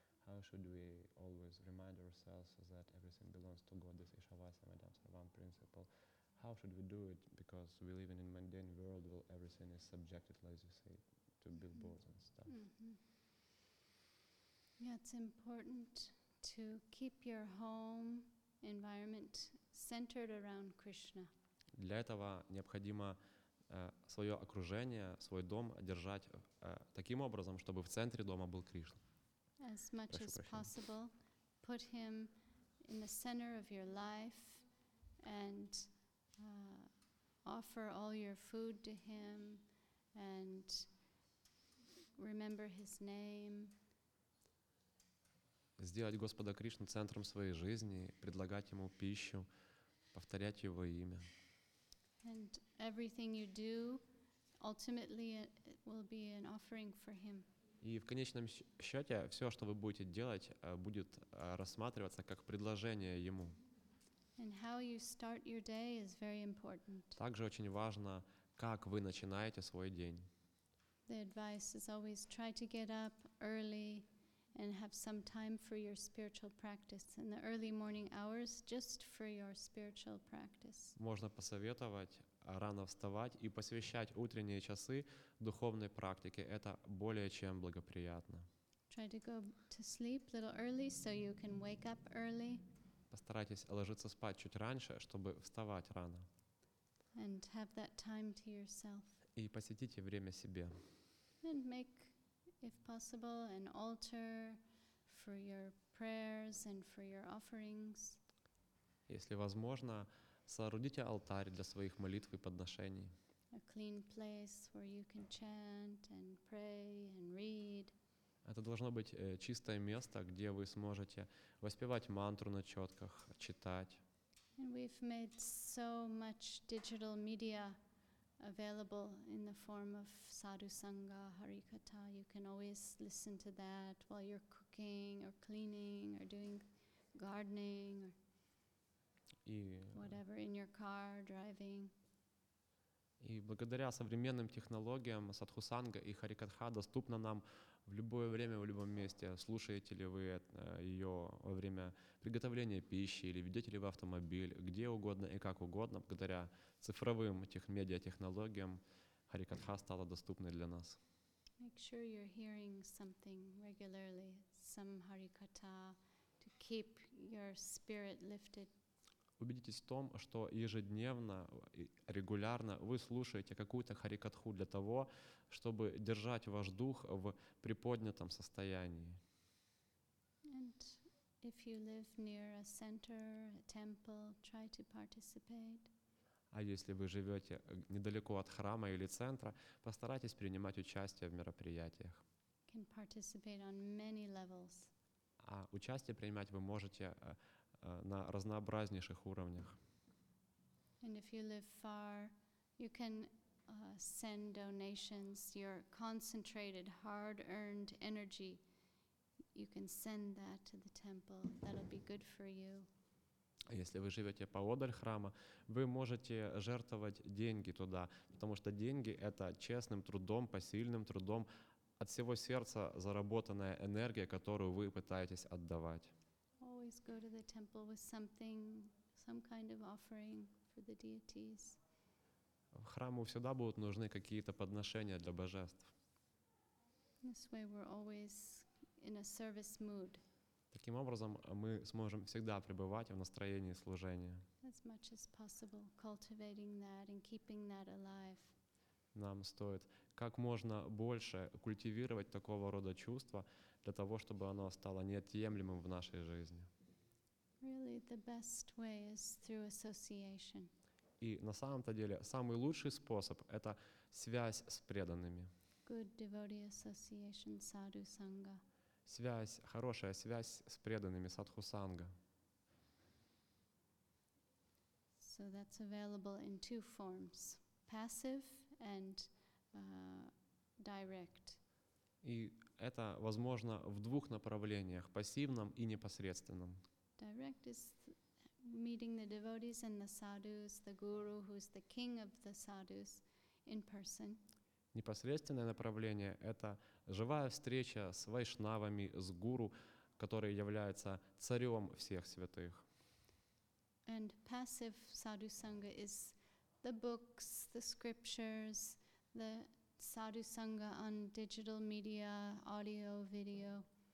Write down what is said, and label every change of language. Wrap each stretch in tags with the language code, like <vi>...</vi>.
<en>How should we always remind ourselves that everything belongs to God, this Ishavasya Madam Sarvam principle? How should we do it? Because we live in a mundane world where everything is subjected, like you say, to billboards and stuff. Mm-hmm. Yeah, it's important to keep your home environment centered around Krishna.</en> <ru>Для этого необходимо свое окружение, свой дом держать таким образом, чтобы в центре дома был Кришна.</ru> <en>As much as possible, put him in the center of your life and offer all your food to him and remember his name.</en> <ru>Сделать Господа Кришну центром своей жизни, предлагать Ему пищу, повторять Его имя.</ru> <en>And everything you do, ultimately it will be an offering for Him.</en> <ru>И в конечном счете все, что вы будете делать, будет рассматриваться как предложение Ему.</ru> <en>And how you start your day is very important.</en> <ru>Также очень важно, как вы начинаете свой день.</ru> <en>The advice is always try to get up early and have some time for your spiritual practice in the early morning hours, just for your spiritual practice.</en> <ru>Можно посоветовать рано вставать и посвящать утренние часы духовной практике. Это более чем благоприятно.</ru> <en>Try to go to sleep a little early so you can wake up early.</en> <ru>Постарайтесь ложиться спать чуть раньше, чтобы вставать рано.</ru> <en>And have that time to yourself.</en> <ru>И посвятите время себе.</ru> <en>And make, if possible, an altar for your prayers and for your offerings.</en> <ru>Если возможно, соорудите алтарь для своих молитв и подношений.</ru> <en>A clean place where you can chant and pray and read.</en> <ru>Это должно быть чистое место, где вы сможете воспевать мантру на четках, читать.</ru> <en>And we've made so much digital media available in the form of Sadhu Sangha, Harikatha. You can always listen to that while you're cooking or cleaning or doing gardening or whatever, in your car, driving.</en> <ru>И благодаря современным технологиям Садху Санга и Харикатха доступна нам в любое время, в любом месте. Слушаете ли вы ее во время приготовления пищи или ведете ли вы автомобиль, где угодно и как угодно, благодаря цифровым медиатехнологиям Харикатха стала доступной для нас.</ru> <en>Make sure you're hearing something regularly, some Harikatha, to keep your spirit lifted.</en> <ru>Убедитесь в том, что ежедневно, регулярно вы слушаете какую-то харикатху для того, чтобы держать ваш дух в приподнятом состоянии.</ru> <en>And if you live near a center, a temple, try to participate.</en> <ru>А если вы живете недалеко от храма или центра, постарайтесь принимать участие в мероприятиях.</ru> <en>You can participate on many levels.</en> <ru>А участие принимать вы можете на разнообразнейших уровнях.</ru> <en>And if you live far, you can send donations, your concentrated, hard-earned energy. You can send that to the temple. That'll be good for you.</en> <ru>Если вы живете поодаль храма, вы можете жертвовать деньги туда, потому что деньги — это честным трудом, посильным трудом, от всего сердца заработанная энергия, которую вы пытаетесь отдавать.</ru> <en>Go to the temple with something, some kind of offering for the deities.</en> <ru>В храму всегда будут нужны какие-то подношения для божеств.</ru> <en>This way we're always in a service mood.</en> <ru>Таким образом, мы сможем всегда пребывать в настроении служения.</ru> <en>As much as possible, cultivating that and keeping that alive.</en> <ru>Нам стоит как можно больше культивировать такого рода чувства для того, чтобы оно стало неотъемлемым в нашей жизни.</ru> <en>Really, the best way is through association.</en> <ru>И на самом-то деле самый лучший способ — это связь с преданными.</ru> <en>Good devotee association, sadhu sangha.</en> <ru>Связь, хорошая связь с преданными, садху санга.</ru> <en>So that's available in two forms: passive and direct.</en> <ru>И это возможно в двух направлениях: пассивном и непосредственном.</ru> <en>Direct is meeting the devotees and the sadhus, the guru, who's the king of the sadhus, in person.</en> <ru>Непосредственное направление — это живая встреча с вайшнавами, с гуру, который является царем всех святых.</ru> <en>And passive sadhu sangha is the books, the scriptures, the sadhu sangha on digital media, audio, video.</en>